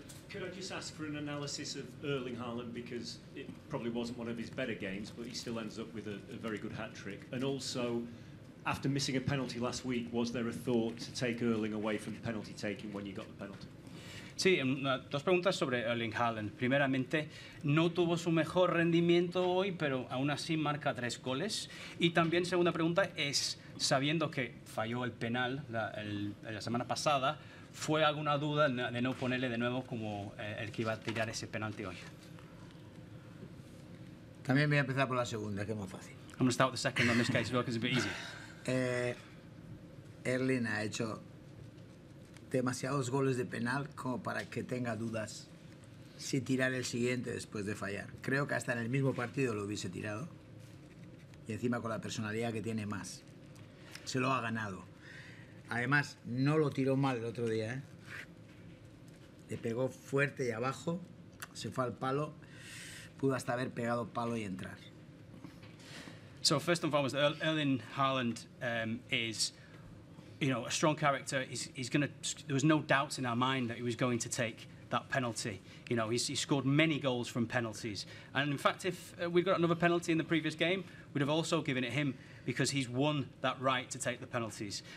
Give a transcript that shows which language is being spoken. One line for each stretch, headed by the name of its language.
English: Could I just ask for an analysis of Erling Haaland, because it probably wasn't one of his better games, but he still ends up with a very good hat trick. And also, after missing a penalty last week, was there a thought to take Erling away from the penalty taking when you got the penalty?
Spanish: Sí, dos preguntas sobre Erling Haaland. Primeramente, no tuvo su mejor rendimiento hoy, pero aún así marca tres goles. Y también, segunda pregunta, es sabiendo que falló el penal la semana pasada, ¿fue alguna duda de no ponerle de nuevo como el que iba a tirar ese penalti hoy? También voy a empezar por la segunda, que es más fácil.
English: I'm going to start with the second on this case, because it's a bit easier.
Spanish: Erling ha hecho demasiados goles de penal como para que tenga dudas si tirar el siguiente después de fallar. Creo que hasta en el mismo partido lo hubiese tirado. Y encima con la personalidad que tiene más. Se lo ha ganado. Además, no lo tiró mal el otro día, ¿eh? Le pegó fuerte y abajo. Se fue al palo. Pudo hasta haber pegado palo y entrar.
English: So first and foremost, Erling Haaland is, you know, a strong character. There was no doubts in our mind that he was going to take that penalty. You know, he scored many goals from penalties. And in fact, if we'd got another penalty in the previous game, we'd have also given it him because he's won that right to take the penalties.